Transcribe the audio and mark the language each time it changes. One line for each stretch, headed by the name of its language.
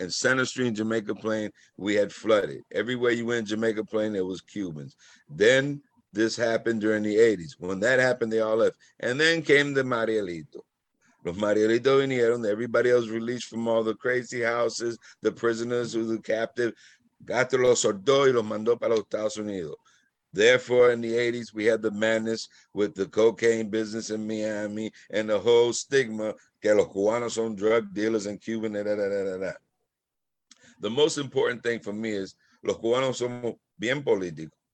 English: In Center Street in Jamaica Plain, we had flooded. Everywhere you went in Jamaica Plain, there was Cubans. Then this happened during the 80s. When that happened, they all left. And then came the Marielito.
Spanish: Los Marielitos vinieron,
English: everybody else released from all the crazy houses, the prisoners who were captive.
Spanish: Gato los soltó y los mandó para los Estados Unidos.
English: Therefore, in the 80s, we had the madness with the cocaine business in Miami and the whole stigma
Spanish: que los cubanos son
English: drug dealers in Cuba. The most important thing for me is
Spanish: los cubanos somos bien políticos.